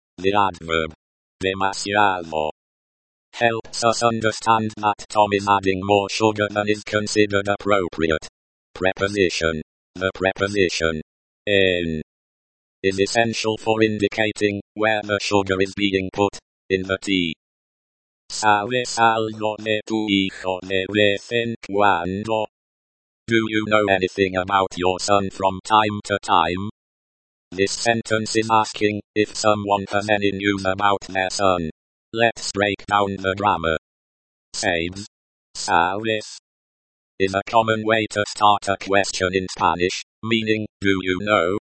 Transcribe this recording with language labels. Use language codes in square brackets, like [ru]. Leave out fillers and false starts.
[en] The adverb demasiado helps us understand that Tom is adding more sugar than is considered appropriate. Preposition. The preposition en is essential for indicating where the sugar is being put, in the tea. [es] ¿Sabes algo de tu hijo de vez en cuando? [en] Do you know anything about your son from time to time? This sentence is asking if someone has any news about their son. Let's break down the grammar. Sabes? [es] ¿Sabes? [en] Is a common way to start a question in Spanish, meaning, do you know?